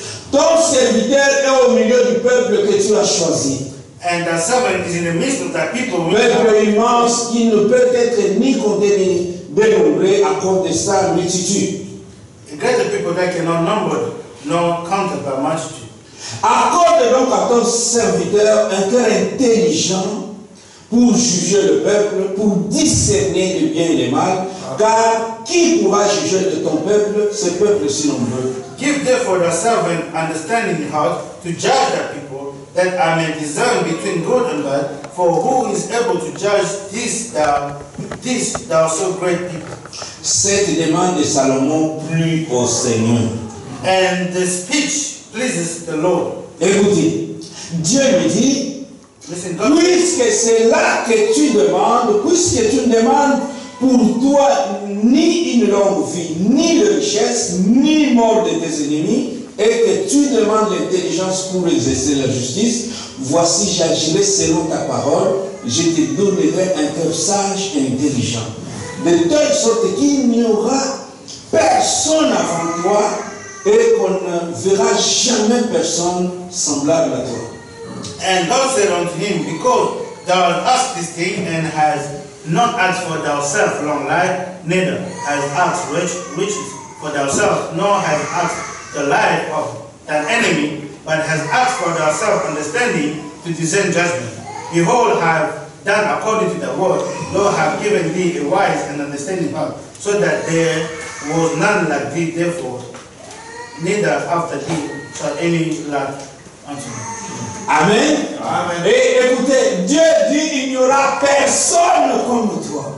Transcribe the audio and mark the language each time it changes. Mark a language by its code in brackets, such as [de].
[fr] Ton serviteur est au milieu du peuple que tu as choisi. [en] And the servant is in the midst of that people. [fr] Peuple immense qui ne peut être ni compté ni dénombré à cause de sa multitude. [en] A great people that cannot number nor count by multitude. [fr] Accorde donc à ton serviteur un cœur intelligent pour juger le peuple, pour discerner le bien et le mal. Car qui pourra juger de ton peuple, ce peuple si nombreux? [en] Give therefore the servant understanding heart to judge the people, that I may discern between good and bad. For who is able to judge this thou so great people? [fr] Cette demande de Salomon plut au Seigneur. [en] And the speech pleases the Lord. [fr] Écoutez, Dieu me dit, [en] listen, [fr] puisque c'est là que tu demandes, puisque tu demandes pour toi ni une longue vie, ni de richesse, ni mort de tes ennemis, et que tu demandes l'intelligence pour exercer la justice, voici j'agirai selon ta parole, je te donnerai un cœur sage et intelligent. De telle sorte qu'il n'y aura personne avant toi et qu'on ne verra jamais personne semblable à toi. [en] And God said unto him, because thou hast this thing and has not ask for thyself long life, neither has asked riches for thyself, nor has asked the life of thine enemy, but has asked for thyself understanding to discern judgment. Behold, have done according to the word, nor have given thee a wise and understanding heart, so that there was none like thee, therefore, neither after thee shall any lack unto thee. Amen. Amen. [fr] Et écoutez, Dieu dit il n'y aura personne comme toi.